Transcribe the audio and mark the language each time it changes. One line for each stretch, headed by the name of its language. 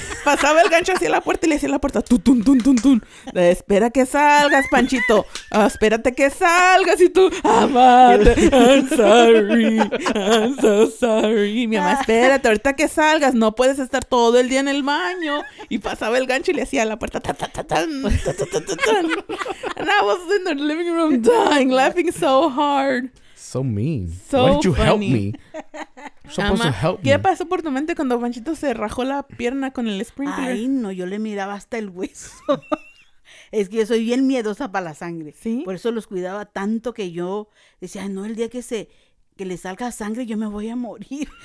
Spanish: Pasaba el gancho hacia la puerta y le hacía la puerta, tun, tun, tun, tun, tun. Espera que salgas, Panchito. Espérate que salgas. Y tú,
English: I'm sorry, I'm so sorry.
Spanish: Mi mamá, espérate, ahorita que salgas, no puedes estar todo el día en el baño. Y pasaba el gancho y le hacía la puerta, ta, ta, ta, tan, ta, ta, ta, tan.
English: And I was in the living room dying, laughing so hard. So mean. So why did you funny. Help me? You're supposed to help
Spanish: ¿qué
English: me.
Spanish: ¿Qué pasó por tu mente cuando Panchito se rajó la pierna con el sprinkler? Ay, no, yo le miraba hasta el hueso. Es que yo soy bien miedosa para la sangre. ¿Sí? Por eso los cuidaba tanto que yo decía, no, el día que le salga sangre, yo me voy a morir.